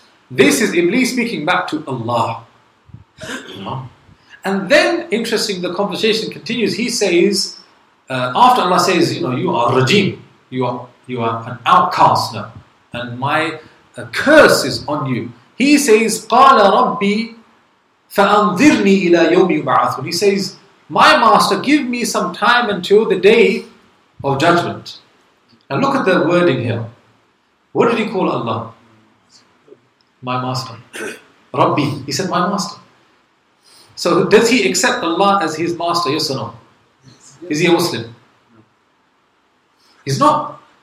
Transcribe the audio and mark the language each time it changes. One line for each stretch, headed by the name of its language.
English: This is Iblis speaking back to Allah. You know? And then, interesting, the conversation continues. He says, after Allah says, you know, you are rajim, you are an outcast now, and my curse is on you. He says,
Arabic: قَالَ رَبِّي فَأَنذِرْنِي إِلَى يَوْمِ يُبْعَثُونَ.
English: He says, my master, give me some time until the day of judgment. Now look at the wording here. What did he call Allah? My master. Rabbi. He said, my master. So does he accept Allah as his master? Yes or no? Is he a Muslim? He's not.